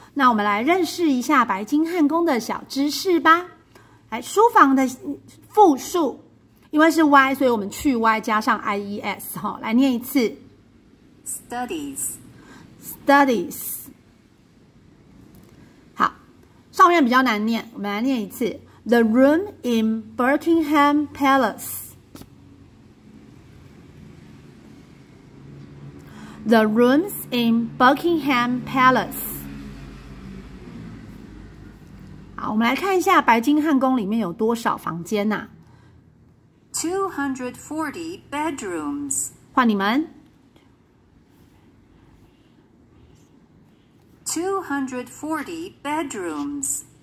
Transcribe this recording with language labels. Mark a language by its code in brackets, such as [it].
[zh] 那我们来认识一下白金汉宫的小知识吧。来，书房的复数，因为是 y， 所以我们去 y 加上 ies 哈，来念一次 [en] ，studies， studies。 [zh] 好，上面比较难念，我们来念一次。 [en] The room in Buckingham Palace. The rooms in Buckingham Palace. [zh] 好，我们来看一下白金汉宫里面有多少房间呐？ [en] 240 bedrooms. [zh] 换你们。 [en] 240 bedrooms.